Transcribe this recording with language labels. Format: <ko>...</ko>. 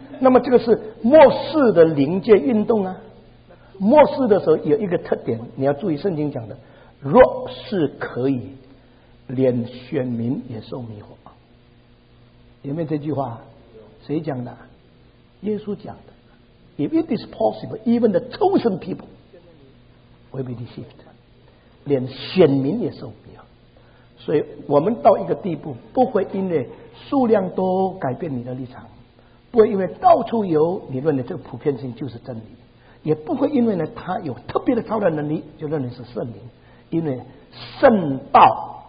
<zh>那么这个是末世的灵界运动啊。末世的时候有一个特点，你要注意，圣经讲的，若是可以。连选民也受迷惑，有没有这句话？谁讲的？耶稣讲的。</zh> <en>If it is possible, even the chosen people will be deceived.</en> <zh>连选民也受迷惑。所以我们到一个地步，不会因为数量多改变你的立场，不会因为到处有你认为这个普遍性就是真理，也不会因为呢他有特别的超然能力就认为是圣灵，因为圣道。</zh>